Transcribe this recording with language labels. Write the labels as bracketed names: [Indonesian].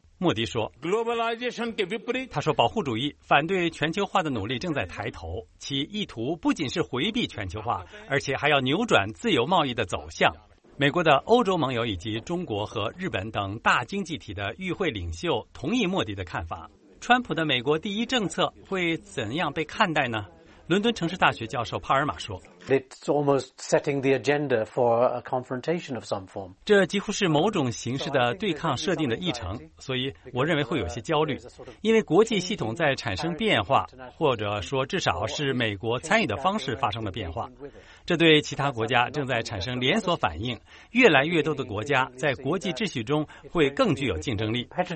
[Chinese] 莫迪说，他说保护主义反对全球化的努力正在抬头，其意图不仅是回避全球化，而且还要扭转自由贸易的走向。美国的欧洲盟友以及中国和日本等大经济体的与会领袖同意莫迪的看法。川普的美国第一政策会怎样被看待呢？伦敦城市大学教授帕尔玛说， [English] It's almost setting the agenda for a confrontation of some form. [Chinese] 这几乎是某种形式的对抗设定的议程，所以我认为会有些焦虑，因为国际系统在产生变化，或者说至少是美国参与的方式发生了变化。这对其他国家正在产生连锁反应，越来越多的国家在国际秩序中会更具有竞争力。